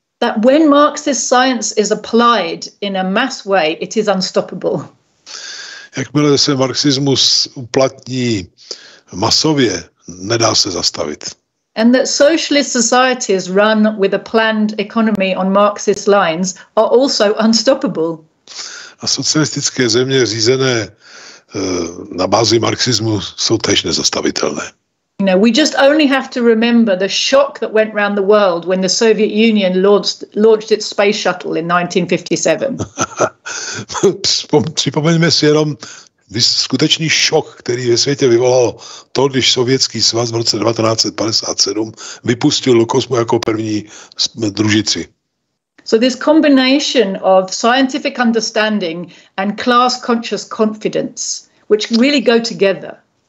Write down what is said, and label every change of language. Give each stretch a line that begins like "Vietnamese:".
English: That when Marxist science is applied in a mass way, it is unstoppable.
Czech: Jakmile se marxismus uplatní masově, nedá se zastavit.
English: And that socialist societies run with a planned economy on Marxist lines are also unstoppable.
Czech: A socialistické země řízené na bázi marxismu jsou též nezastavitelné.
English: You know, we just only have to remember the shock that went round the world when the Soviet Union launched its space shuttle in 1957.
Czech: Připomeňme si jenom skutečný šok, který ve světě vyvolal to, když Sovětský svaz v roce 1957 vypustil do kosmu jako první družici.
English: So this combination of scientific understanding and class conscious confidence, which really go together.